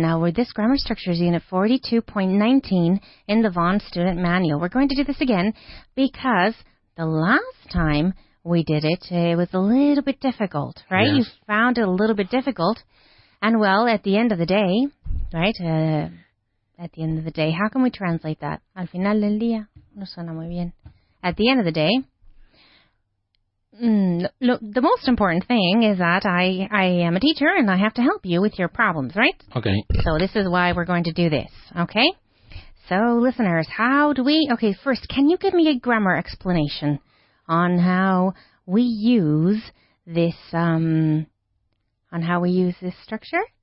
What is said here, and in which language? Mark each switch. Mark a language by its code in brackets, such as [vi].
[en] Now, this grammar structure is unit 42.19 in the Vaughan Student Manual. We're going to do this again because the last time we did it, it was a little bit difficult, right? Yes. You found it a little bit difficult. And, well, at the end of the day, right, at the end of the day, how can we translate that? [es] Al final del día, no suena muy bien. [en] At the end of the day, the most important thing is that I am a teacher and I have to help you with your problems, right? Okay. So this is why we're going to do this, okay? So, listeners, how do we... Okay, first, can you give me a grammar explanation on how we use this structure?